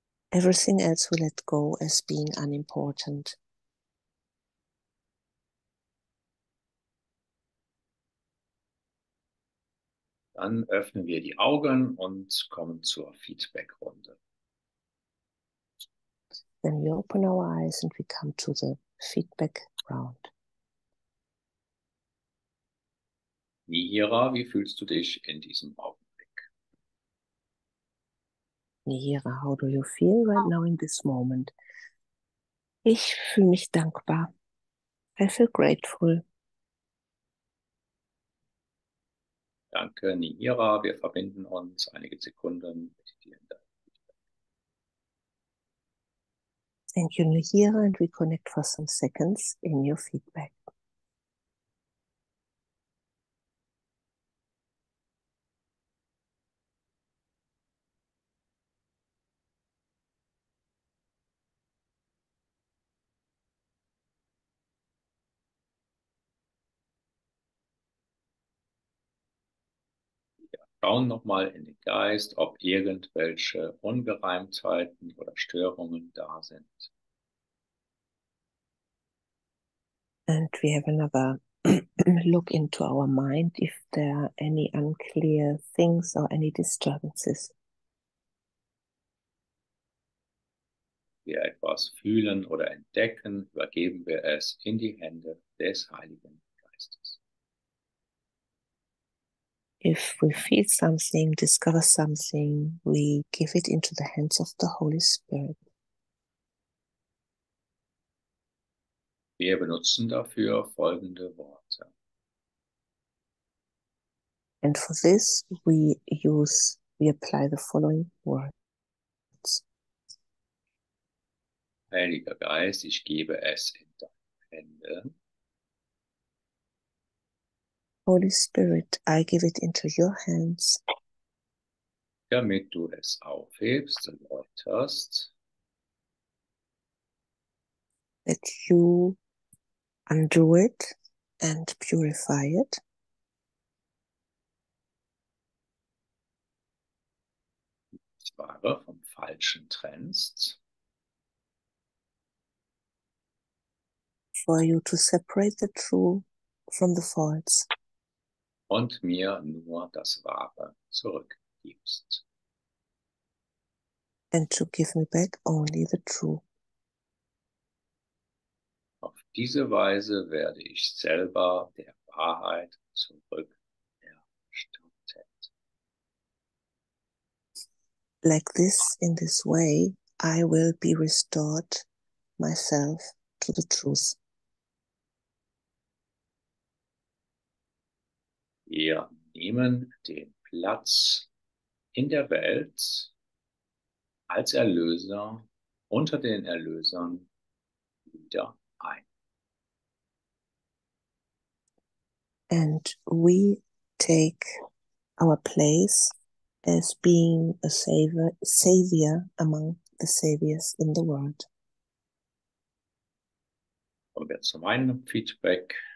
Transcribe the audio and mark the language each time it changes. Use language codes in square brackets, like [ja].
[en] Everything else we let go as being unimportant. [de] Dann öffnen wir die Augen und kommen zur Feedback-Runde. [en] Then we open our eyes and we come to the feedback round. [de] Nihira, wie fühlst du dich in diesem Augenblick? [en] Nihira, how do you feel right now in this moment? [de] Ich fühle mich dankbar. [en] I feel grateful. [de] Danke, Nihira. Wir verbinden uns einige Sekunden mit dir. [en] Thank you, Nihira, and we connect for some seconds in your feedback. [de] Schauen nochmal in den Geist, ob irgendwelche Ungereimtheiten oder Störungen da sind. [en] And we have another look into our mind, if there are any unclear things or any disturbances. [de] Wir etwas fühlen oder entdecken, übergeben wir es in die Hände des Heiligen Geistes. [en] If we feel something, discover something, we give it into the hands of the Holy Spirit. [de] Wir benutzen dafür folgende Worte. [en] And for this, we apply the following words. [de] Heiliger Geist, ich gebe es in deine Hände. [en] Holy Spirit, I give it into your hands. [de] Damit du es aufhebst und läuterst. [en] That you undo it and purify it. [de] Das Wahre vom Falschen trennst. [en] For you to separate the true from the false. [de] Und mir nur das Wahre zurückgibst. [en] And to give me back only the true. [de] Auf diese Weise werde ich selber der Wahrheit zurückerstattet. [en] Like this, in this way, I will be restored myself to the truth. [de] Wir nehmen den Platz in der Welt als Erlöser unter den Erlösern wieder ein. [en] And we take our place as being a savior among the saviors in the world. [de] Kommen wir zu meinem Feedback.